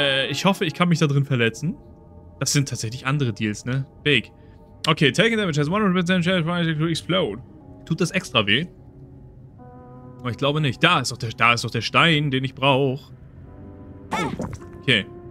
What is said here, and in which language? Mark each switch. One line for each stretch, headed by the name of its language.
German: Ich hoffe, ich kann mich da drin verletzen. Das sind tatsächlich andere Deals, ne?
English: Big. Okay, taking damage has 100% chance for it to explode.
German: Tut das extra weh? Oh, ich glaube nicht. Da ist doch der Stein, den ich brauche. Okay.